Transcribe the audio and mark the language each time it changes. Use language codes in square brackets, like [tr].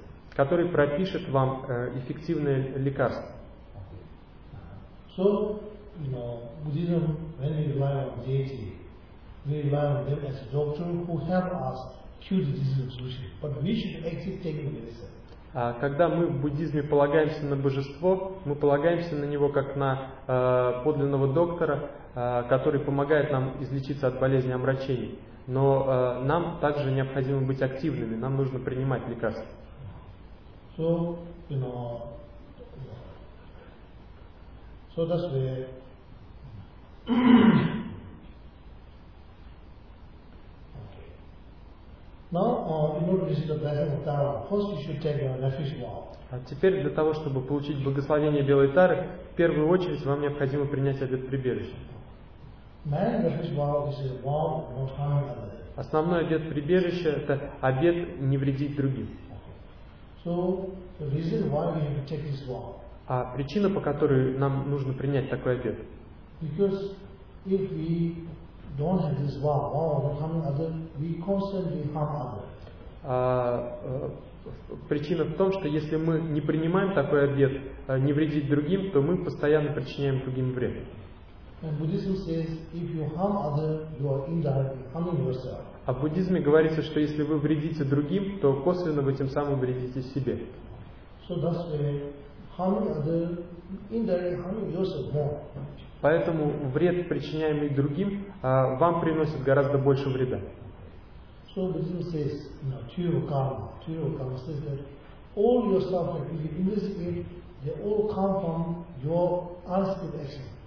[ru] Который пропишет вам эффективное лекарство. [en] So, you know, Buddhism, when we rely on deity, we rely on them as a doctor who help us cure the disease of delusion. But we should actually take the medicine. [ru] Когда мы в буддизме полагаемся на божество, мы полагаемся на него как на подлинного доктора, который помогает нам излечиться от болезни омрачений. Но нам также необходимо быть активными, нам нужно принимать лекарства. [en] So, you know, so that's where... Now, in order to receive the blessing of Tara, first you should take your refuge vow. [ru] А теперь для того, чтобы получить благословение белой Тары, в первую очередь вам необходимо принять обет прибежища. [en] Man's refuge vow is a vow not harming others. [ru] Основной обет прибежища – это обет не вредить другим. [en] So, the reason why we have to take this vow. [ru] А причина, по которой нам нужно принять такой обет? [en] Because if we don't have this vow, vow not harming others, we constantly harm others. [ru] Причина в том, что если мы не принимаем такой обет не вредить другим, то мы постоянно причиняем другим вред. [en] And Buddhism says, if you harm other, you are indirectly harming yourself. [ru] А в буддизме говорится, что если вы вредите другим, то косвенно вы тем самым вредите себе. [en] So that's why harming other, indirectly harming yourself more. [ru] Поэтому вред, причиняемый другим, вам приносит гораздо больше вреда. [en] So Buddhism says, you know, Tirukama says that all your suffering in this age, they all come from your unskilled action.